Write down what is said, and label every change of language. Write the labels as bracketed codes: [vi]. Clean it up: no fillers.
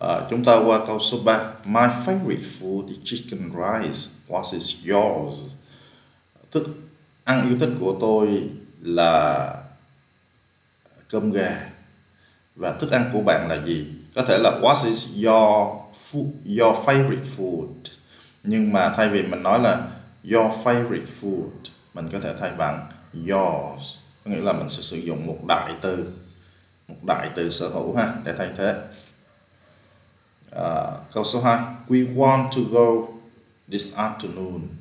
[vi] Chúng ta qua câu số 3. [en] My favorite food is chicken rice. What is yours? [vi] Thức ăn yêu thích của tôi là cơm gà. Và thức ăn của bạn là gì? Có thể là [en] what is your food, your favorite food. [vi] Nhưng mà thay vì mình nói là [en] your favorite food, [vi] mình có thể thay bằng yours. Có nghĩa là mình sẽ sử dụng một đại từ, một đại từ sở hữu ha, để thay thế. Câu số 2. [en] We want to go this afternoon.